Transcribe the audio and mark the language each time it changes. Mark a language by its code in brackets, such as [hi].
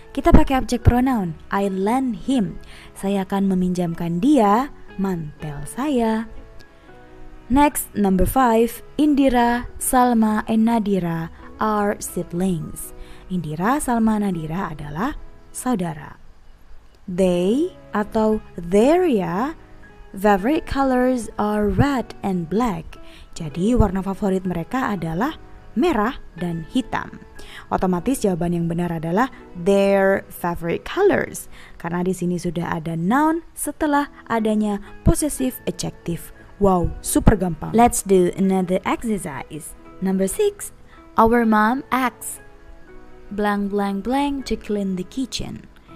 [id] Kita pakai object pronoun. [en] I lend him. [id] Saya akan meminjamkan dia mantel saya. [en] Next, number 5. Indira, Salma, and Nadira are siblings. [id] Indira, Salma, Nadira adalah saudara. [en] They [id] atau [en] their ya, favorite colors are red and black. [id] Jadi warna favorit mereka adalah merah dan hitam. Otomatis jawaban yang benar adalah [en] their favorite colors, [id] karena di sini sudah ada noun setelah adanya possessive adjective. Wow, super gampang. [en] Let's do another exercise. Number 6. Our mom asks blank blank blank to clean the kitchen.